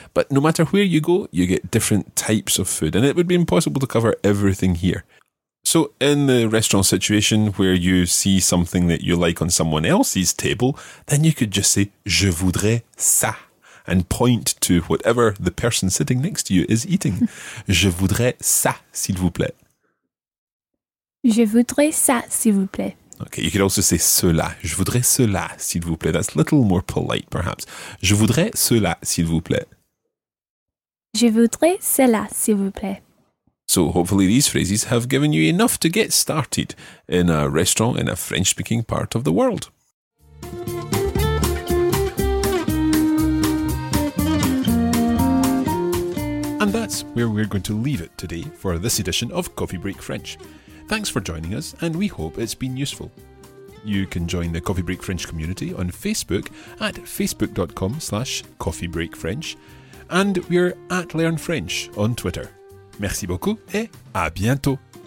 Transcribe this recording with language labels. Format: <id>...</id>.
<en>But no matter where you go, you get different types of food, and it would be impossible to cover everything here. So in the restaurant situation where you see something that you like on someone else's table, then you could just say,</en> <fr>je voudrais ça,</fr> <en>and point to whatever the person sitting next to you is eating.</en> <fr>Je voudrais ça, s'il vous plaît. Je voudrais ça, s'il vous plaît.</fr> <en>Okay, you could also say cela.</en> <fr>Je voudrais cela, s'il vous plaît.</fr> <en>That's a little more polite, perhaps.</en> <fr>Je voudrais cela, s'il vous plaît. Je voudrais cela, s'il vous plaît.</fr> <en>So hopefully these phrases have given you enough to get started in a restaurant in a French-speaking part of the world. And that's where we're going to leave it today for this edition of Coffee Break French. Thanks for joining us, and we hope it's been useful. You can join the Coffee Break French community on Facebook at facebook.com/coffeebreakfrench, and we're at Learn French on Twitter.</en> <fr>Merci beaucoup et à bientôt.</fr>